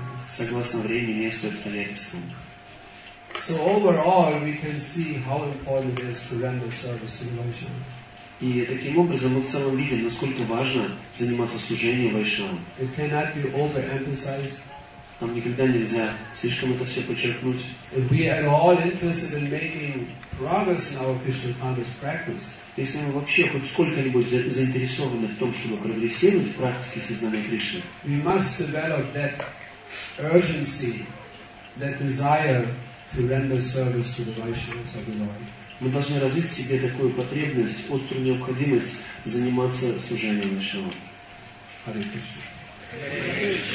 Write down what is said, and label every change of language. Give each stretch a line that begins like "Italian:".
Russian: Согласно времени, месту и обстоятельствам.
English: So overall, we can see how important it is to render service to Vaishnava.
Russian: И таким образом мы в целом видим, насколько важно заниматься служением Вайшнавам.
English: It cannot be overemphasized.
Russian: Нам никогда нельзя слишком это все подчеркнуть.
English: If we are all interested in making progress in our Krishna conscious practice.
Russian: Если мы вообще хоть сколько-нибудь заинтересованы в том, чтобы прогрессировать в практике сознания Кришны,
English: we must develop that urgency, that desire to render service to the Vaishnavas of the Lord.
Russian: Мы должны развить в себе такую потребность, острую необходимость заниматься служением Вайшнавам.
English: Hare Krishna.